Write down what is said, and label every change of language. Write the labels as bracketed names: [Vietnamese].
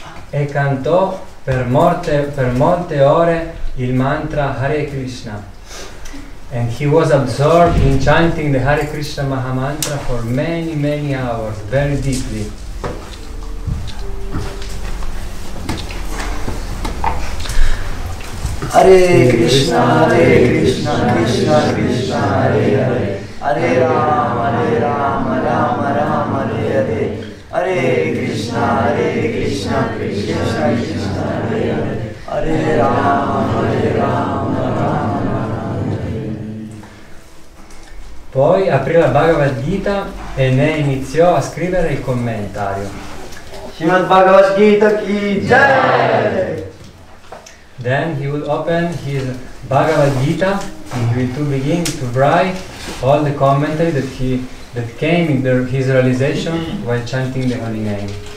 [Italian] E cantò per molte ore il mantra Hare Krishna. [English] And he was absorbed in chanting the Hare Krishna Maha Mantra for many, many hours, very deeply. [Sanskrit] Hare Krishna, Hare Krishna, Krishna Krishna, Hare Hare. Hare Rama, Rama Rama, Hare Hare. Hare Krishna, Hare Krishna, Krishna Krishna, Hare Hare. Hare Rama, Hare Rama, Rama Rama, Hare Hare. [Italian] Poi aprì la Bhagavad Gita e ne iniziò a scrivere il commentario. [Hindi] Srimad Bhagavad Gita ki jai! [English] Then he will open his Bhagavad Gita and he will begin to write all the commentary that came in his realization while chanting the holy name.